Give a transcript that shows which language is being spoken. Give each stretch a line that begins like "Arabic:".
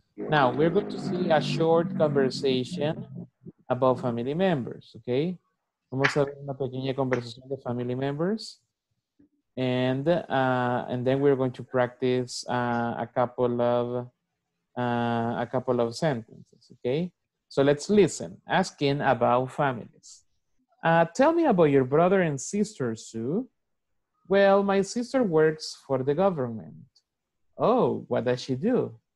English: Now, we're going to see a short conversation about family members, okay?
Spanish: Vamos a ver una pequeña conversación de family members.
English: And then we're going to practice a couple of sentences, okay? So let's listen. Asking about families. Tell me about your brother and sister, Sue. Well, my sister works for the government. Oh, what does she do?